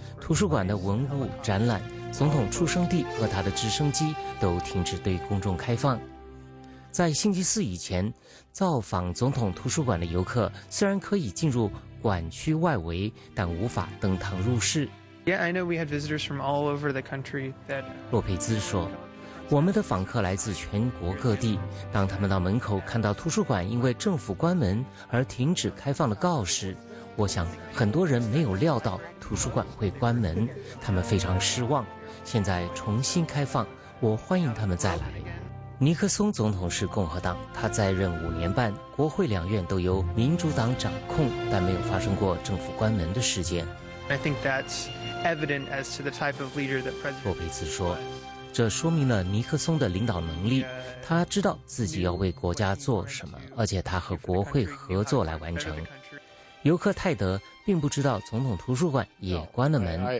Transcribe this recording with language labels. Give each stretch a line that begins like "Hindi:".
Chinese: 图书馆的文物展览、总统出生地和他的直升机都停止对公众开放。在星期四以前，造访总统图书馆的游客虽然可以进入馆区外围，但无法登堂入室。
English: Yeah, I know we had visitors from all over the country. That
Chinese: 洛佩兹说，我们的访客来自全国各地。当他们到门口看到图书馆因为政府关门而停止开放的告示，我想很多人没有料到图书馆会关门，他们非常失望。现在重新开放，我欢迎他们再来。尼克松总统是共和党，他在任5年半，国会两院都由民主党掌控，但没有发生过政府关门的事件。
English: I think that's evident as to the type of leader that President.
Chinese: 洛佩兹说，这说明了尼克松的领导能力，他知道自己要为国家做什么，而且他和国会合作来完成。游客泰德并不知道总统图书馆也关了门。